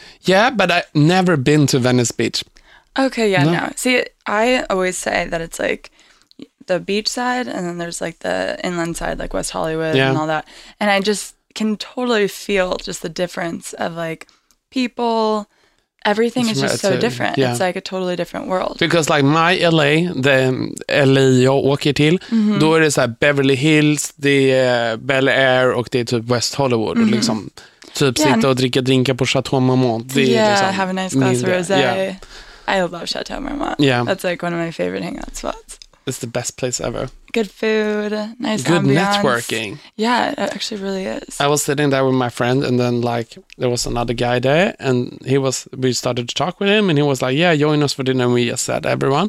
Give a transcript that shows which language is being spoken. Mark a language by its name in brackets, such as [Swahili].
[English] Yeah, but I've never been to Venice Beach. Okay, yeah, no. See, I always say that it's like the beach side, and then there's like the inland side, like West Hollywood and all that. And I just can totally feel just the difference of like people... Everything is just so different. Yeah. It's like a totally different world. Because like my LA, the LA [Swedish] jag åker till, då är det så här Beverly Hills, det är Bel Air och det är typ West Hollywood. Mm-hmm. Liksom, typ sitta och dricka drinkar på Chateau Marmont. Det är liksom [English] have a nice glass of rosé. Yeah. I love Chateau Marmont. Yeah. That's like one of my favorite hangout spots. It's the best place ever. Good food, nice good ambience. Networking. Yeah, it actually really is. I was sitting there with my friend and then like there was another guy there and we started to talk with him and he was like, yeah, join us for dinner and we just said everyone.